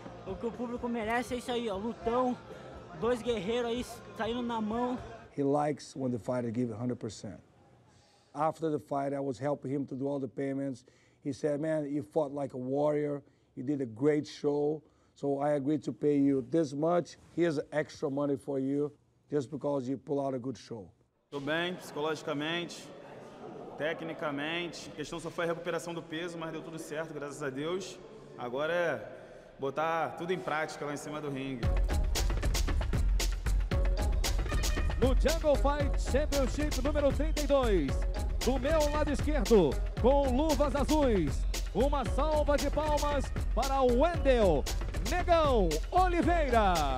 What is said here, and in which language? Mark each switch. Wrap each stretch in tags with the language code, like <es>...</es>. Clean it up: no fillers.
<pt>O que o público merece é isso aí, ó, lutão, dois guerreiros aí saindo na mão.</pt> <en>He likes when the fighter gives 100%. After the fight, I was helping him to do all the payments. He said, man, you fought like a warrior. You did a great show. So I agreed to pay you this much. Here's extra money for you, just because you pull out a good show.</en> <pt>Tô bem, psicologicamente, tecnicamente. A questão só foi a recuperação do peso, mas deu tudo certo, graças a Deus. Agora é botar tudo em prática lá em cima do ringue. No Jungle Fight Championship número 32, do meu lado esquerdo, com luvas azuis, uma salva de palmas para o Wendell Negão Oliveira.</pt>